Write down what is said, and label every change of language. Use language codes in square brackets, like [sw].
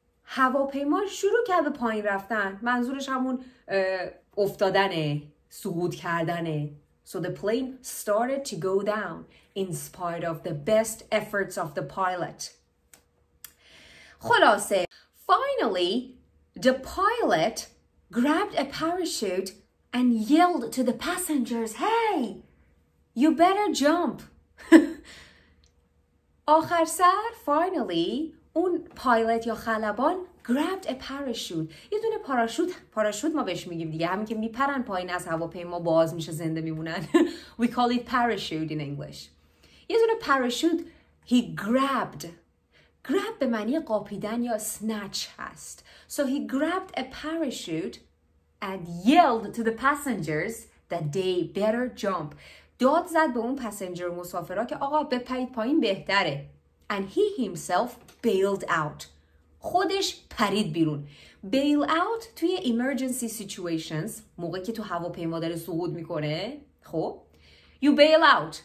[fa] هواپیما شروع کرد به پایین رفتن. منظورش همون افتادنه, سقوط کردنه. [en] So the plane started to go down in spite of the best efforts of the pilot. خلاصه, finally, the pilot grabbed a parachute and yelled to the passengers, "Hey, you better jump." [fa] آخر سر, finally, اون پایلت یا خلبان [en] grabbed a parachute. [fa] یه دونه پاراشوت, پاراشوت ما بهش میگیم دیگه, همین که میپرن پایین از هواپیما باز میشه, زنده میمونن. [en] We call it parachute in English. [fa] یه دونه پاراشوت, [en] he grabbed. [fa] Grab به معنی قاپیدن یا snatch هست. [en] So he grabbed a parachute and yelled to the passengers that they better jump. [fa] داد زد به اون پسنجر مسافرها که آقا بپرید پایین بهتره. [en] And he himself bailed out. [fa] خودش پرید بیرون. Bail out توی emergency situations, موقع که تو هواپیما داره سقوط میکنه, خب, [en] you bail out.